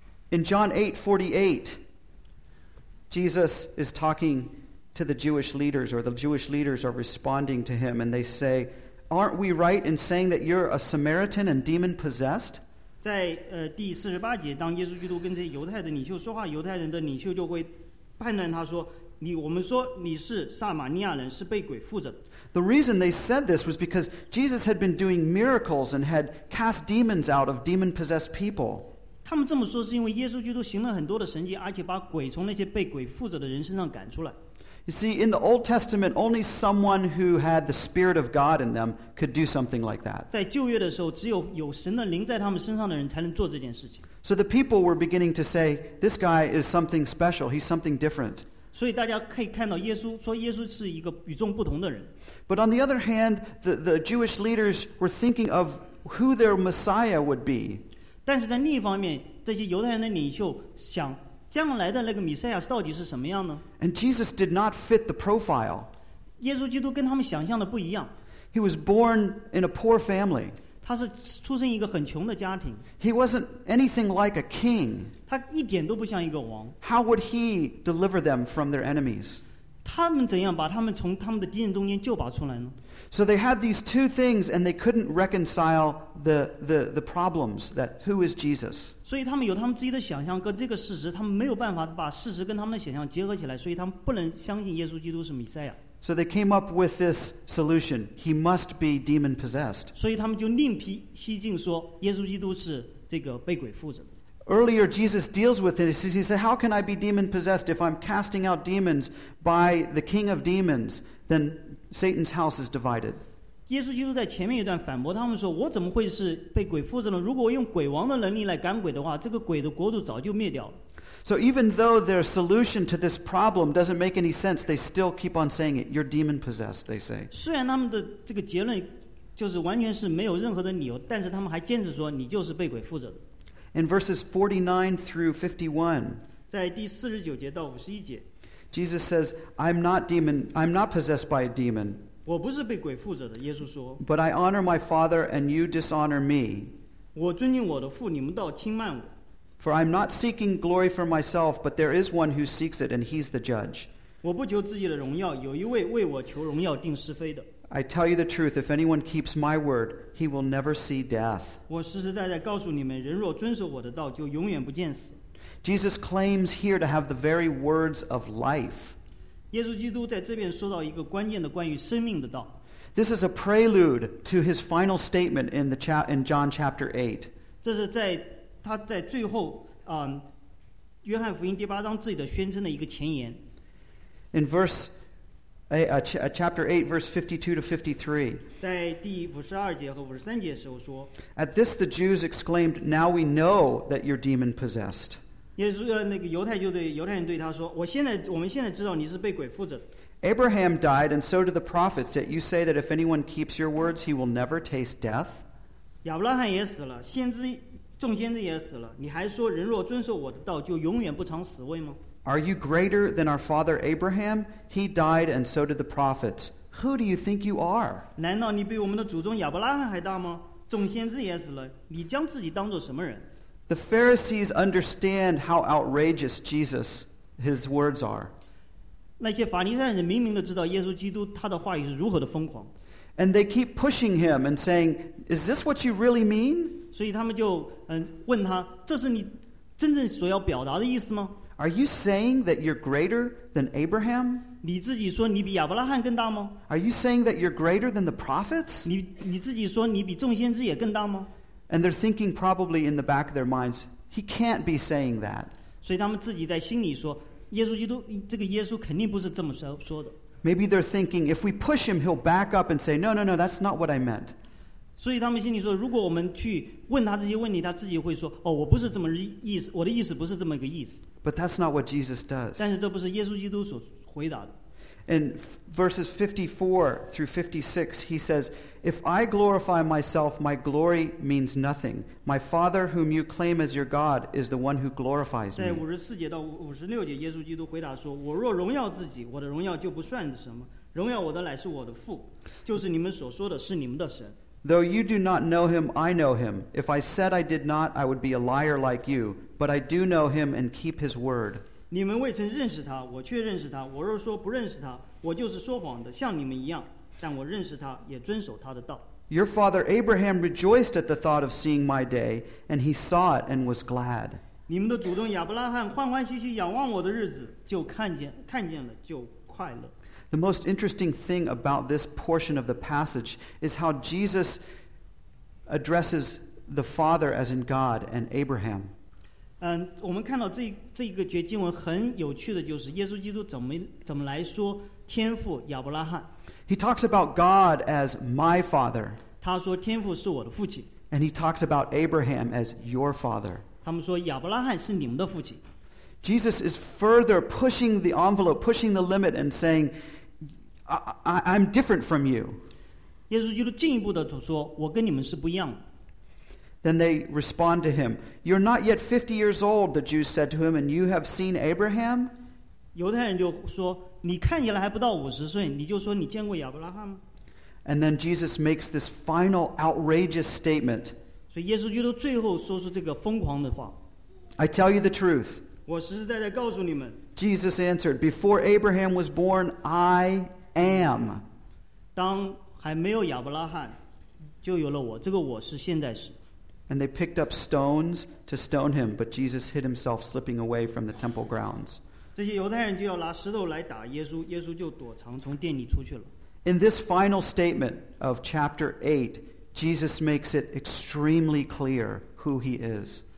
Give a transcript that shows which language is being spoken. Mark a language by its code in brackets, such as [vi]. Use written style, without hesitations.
[en] In John 8:48, Jesus is talking to the Jewish leaders, or the Jewish leaders are responding to him, and they say, "Aren't we right in saying that you're a Samaritan and demon-possessed?" [zh] 在第四十八节，当耶稣基督跟这犹太的领袖说话，犹太人的领袖就会判断他说。我们说你是撒玛利亚人，是被鬼附着的。 [en] The reason they said this was because Jesus had been doing miracles and had cast demons out of demon-possessed people. [zh] 他们这么说是因为耶稣基督行了很多的神迹，而且把鬼从那些被鬼附着的人身上赶出来。 [en] You see, in the Old Testament, only someone who had the Spirit of God in them could do something like that. [zh] 在旧约的时候，只有有神的灵在他们身上的人才能做这件事情。 [en] So the people were beginning to say, "This guy is something special. He's something different." [zh] 所以大家可以看到耶稣说耶稣是一个与众不同的人。 [en] But on the other hand, the Jewish leaders were thinking of who their Messiah would be. [zh] 但是在另一方面，这些犹太人的领袖想将来的那个弥赛亚到底是什么样呢？ [en] And Jesus did not fit the profile. [zh] 耶稣基督跟他们想象的不一样。 [en] He was born in a poor family. [zh] 他是出生一个很穷的家庭。 [en] He wasn't anything like a king. [zh] 他一点都不像一个王。 [en] How would he deliver them from their enemies? [zh] 他们怎样把他们从他们的敌人中间救拔出来呢？ [en] So they had these two things and they couldn't reconcile the problems that who is Jesus. [zh] 所以他们有他们自己的想象跟这个事实，他们没有办法把事实跟他们的想象结合起来，所以他们不能相信耶稣基督是弥赛亚。 [en] So they came up with this solution. He must be demon-possessed. [zh] 所以他们就另辟蹊径说耶稣基督是这个被鬼附着。 [en] Earlier Jesus deals with it. He said, how can I be demon-possessed if I'm casting out demons by the king of demons? Then Satan's house is divided. [zh] 耶稣基督在前面一段反驳他们说，我怎么会是被鬼附着呢？如果我用鬼王的能力来赶鬼的话，这个鬼的国度早就灭掉了。 [en] So even though their solution to this problem doesn't make any sense, they still keep on saying it. You're demon possessed, they say. [zh] 虽然他们的这个结论就是完全是没有任何的理由，但是他们还坚持说你就是被鬼附着的。 [en] In verses 49 through 51, [zh] 在第四十九节到五十一节， [en] Jesus says, I'm not possessed by a demon. [zh] 我不是被鬼附着的，耶稣说。 [en] But I honor my father and you dishonor me. [zh] 我尊敬我的父，你们倒轻慢我。 [en] For I'm not seeking glory for myself, but there is one who seeks it, and he's the judge. [zh] 我不求自己的荣耀，有一位为我求荣耀定是非的。 [en] I tell you the truth, if anyone keeps my word, he will never see death. [zh] 我实实在在告诉你们，人若遵守我的道，就永远不见死。 [en] Jesus claims here to have the very words of life. [zh] 耶稣基督在这边说到一个关键的关于生命的道。 [en] This is a prelude to his final statement in John chapter 8. [zh] 这是在他在最后约翰福音第八章自己的宣称的一个前言。 [en] In chapter 8 verse 52 to 53, [zh] 在第52节和53节的时候说， [en] At this the Jews exclaimed, Now we know that you're demon possessed. [zh] 耶稣那个犹太就对犹太人对他说，我们现在知道你是被鬼附着。 [en] Abraham died and so do the prophets, yet you say that if anyone keeps your words he will never taste death. [zh] 亚伯拉罕也死了，先知众先知也死了，你还说人若遵守我的道就永远不尝死味吗？ [en] Are you greater than our father Abraham? He died and so did the prophets. Who do you think you are? [zh] 难道你比我们的祖宗亚伯拉罕还大吗？众先知也死了，你将自己当作什么人？ [en] The Pharisees understand how outrageous Jesus, his words are. [zh] 那些法利赛人明明的知道耶稣基督他的话语是如何的疯狂。 [en] And they keep pushing him and saying, Is this what you really mean? [zh] 所以他们就问他，这是你真正所要表达的意思吗？ [en] Are you saying that you're greater than Abraham? [zh] 你自己说你比亚伯拉罕更大吗？ [en] Are you saying that you're greater than the prophets? [zh] 你自己说你比众先知也更大吗？ [en] And they're thinking probably in the back of their minds, He can't be saying that. [zh] 所以他们自己在心里说，耶稣基督，这个耶稣肯定不是这么说的。 [en] Maybe they're thinking, if we push him, he'll back up and say, no, no, no, that's not what I meant. [zh] 所以他们心里说，如果我们去问他这些问题，他自己会说，哦，我不是这么意思，我的意思不是这么一个意思。 [en] But that's not what Jesus does. [zh] 但是这不是耶稣基督所回答的。 [en] In verses 54 through 56, he says, If I glorify myself, my glory means nothing. My Father, whom you claim as your God, is the one who glorifies me. [zh] 在五十四节到五十六节，耶稣基督回答说，我若荣耀自己，我的荣耀就不算什么。荣耀我的乃是我的父，就是你们所说的是你们的神。 [en] Though you do not know him, I know him. If I said I did not, I would be a liar like you. But I do know him and keep his word. [zh] 你们未曾认识他，我却认识他。我若说不认识他，我就是说谎的，像你们一样。但我认识他，也遵守他的道。 [en] Your father Abraham rejoiced at the thought of seeing my day, and he saw it and was glad. [zh] 你们的祖宗亚伯拉罕欢欢喜喜仰望我的日子，就看见了，就快乐。 [en] The most interesting thing about this portion of the passage is how Jesus addresses the Father as in God and Abraham. [zh] 我们看到这个节经文很有趣的就是耶稣基督怎么来说天父亚伯拉罕。 [en] He talks about God as my father. [zh] 他说天父是我的父亲。 [en] And he talks about Abraham as your father. [zh] 他们说亚伯拉罕是你们的父亲。 [en] Jesus is further pushing the envelope, pushing the limit and saying, I'm different from you. [zh] 耶稣基督进一步的说，我跟你们是不一样的。 [en] Then they respond to him. You're not yet 50 years old, the Jews said to him, and you have seen Abraham? [zh] 犹太人就说，你看起来还不到五十岁，你就说你见过亚伯拉罕吗？ [en] And then Jesus makes this final outrageous statement. [zh] 所以耶稣基督最后说出这个疯狂的话。 [en] I tell you the truth. [zh] 我实实在在告诉你们。 [en] Jesus answered, before Abraham was born, I am. [zh] 当还没有亚伯拉罕，就有了我，这个我是现在是。 [en] And they picked up stones to stone him, but Jesus hid himself, slipping away from the temple grounds. [zh] 这些犹太人就要拿石头来打耶稣，耶稣就躲藏从殿里出去了。 [en] In this final statement of chapter 8, Jesus makes it extremely clear who he is.